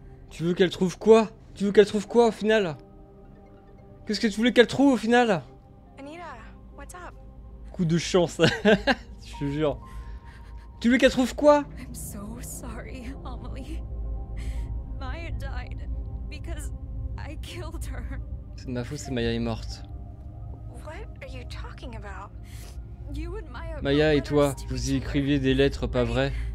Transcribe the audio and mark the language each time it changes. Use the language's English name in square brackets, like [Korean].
[French] Tu veux qu'elle trouve quoi? Tu veux qu'elle trouve quoi au final? Qu'est-ce que tu voulais qu'elle trouve au final? [English] Anita, what's up? [French] Coup de chance. Je te jure. Tu veux qu'elle trouve quoi? [English] I'm so sorry, Amelie. Maya died because I killed her. [French] C'est ma faute, c'est Maya est morte. [English] What are you talking about? You and Maya, [French] Maya et toi, vous y écriviez des lettres, pas vrai?